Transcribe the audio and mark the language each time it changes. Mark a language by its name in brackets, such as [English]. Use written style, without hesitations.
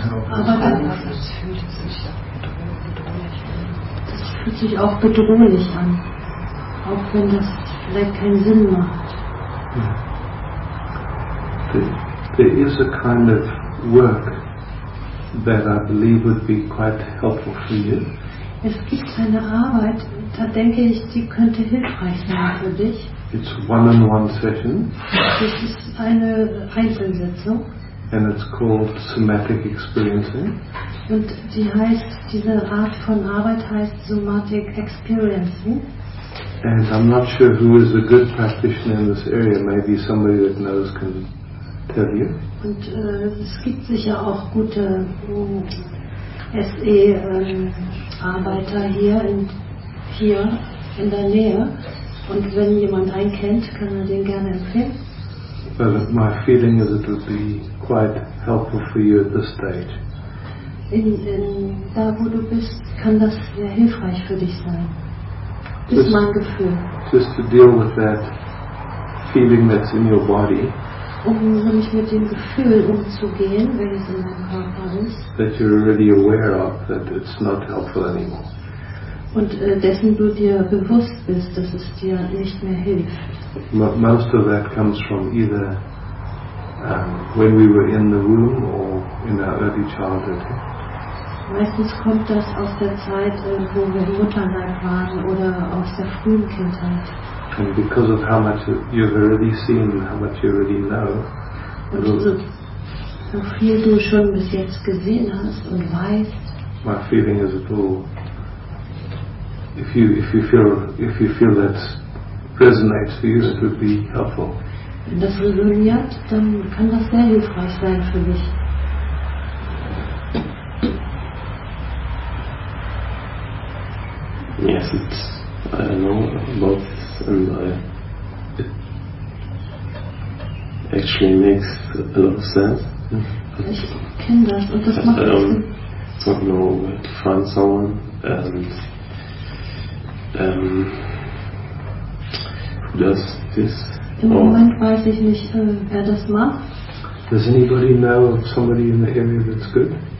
[German] Aber das fühlt sich auch bedrohlich an. Auch wenn das vielleicht keinen Sinn macht. [English] There is a kind of work that I believe would be quite helpful for you. [German] Es gibt eine Arbeit, da denke ich, die könnte hilfreich sein für dich. [English] It's one-on-one session. [German] Das ist eine Einzelsitzung. [English] And it's called somatic experiencing. [German] Und die heißt, diese Art von Arbeit heißt somatic experiencing. [English] And I'm not sure who is a good practitioner in this area. Maybe somebody that knows can tell you. [German] Und es gibt sicher auch gute SE-Arbeiter hier in der Nähe. Und wenn jemand einen kennt, kann er den gerne empfehlen. [English] But my feeling is it would be quite helpful for you at this stage. [German] In da wo du bist, kann das sehr hilfreich für dich sein. Das ist mein Gefühl. [English] Just to deal with that feeling that's in your body. [German] Um mich mit dem Gefühl umzugehen, wenn es in deinem Körper ist. [English] That you're already aware of that it's not helpful anymore. [German] Und dessen du dir bewusst bist, dass es dir nicht mehr hilft. [English] Most of that comes from either when we were in the womb or in our early childhood. [German] Meistens kommt das aus der Zeit, wo wir Mutterleib waren oder aus der frühen Kindheit. [English] And because of how much you've already seen and how much you already know. [German] Und so viel du schon bis jetzt gesehen hast und weißt. [English] My feeling is at all. If you feel that resonates for you, it would be helpful. [German] Wenn das resoniert, dann kann das sehr hilfreich sein für mich. [English] Yes, it's, I don't know about this, and it actually makes a lot of sense. [German] Ich kenne das und das macht Sinn. [English] I don't know where to find someone and. Who does this? [German] Im Moment weiß ich nicht, wer das macht. [English] Does anybody know of somebody in the area that's good?